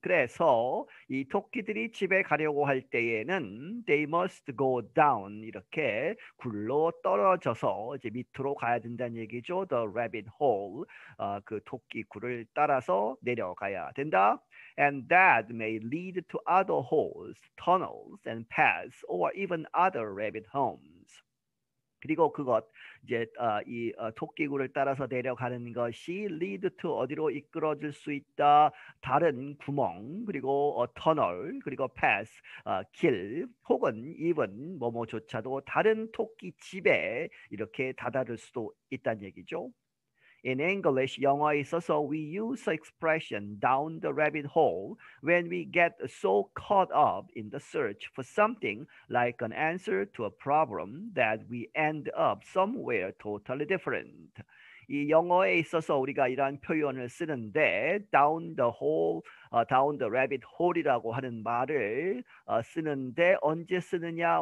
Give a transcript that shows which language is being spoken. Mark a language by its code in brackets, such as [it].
[ko] 그래서 이 토끼들이 집에 가려고 할 때에는 [en] they must go down [ko] 이렇게 굴로 떨어져서 이제 밑으로 가야 된다는 얘기죠. [en] The rabbit hole, [ko] 그 토끼 굴을 따라서 내려가야 된다. [en] And that may lead to other holes, tunnels, and paths, or even other rabbit homes. [ko] 그리고 그것 이제 이 토끼굴을 따라서 내려가는 것이 [en] lead to [ko] 어디로 이끌어질 수 있다 다른 구멍 그리고 터널 그리고 pass 길 혹은 even 뭐뭐조차도 다른 토끼 집에 이렇게 다다를 수도 있다는 얘기죠. [en] In English [ko] 영어에 있어서 [en] we use expression down the rabbit hole when we get so caught up in the search for something like an answer to a problem that we end up somewhere totally different. [ko] 이 영어에 있어서 우리가 이러한 표현을 쓰는데 [en] down the hole, down the rabbit hole [ko] 이라고 하는 말을 쓰는데 언제 쓰느냐?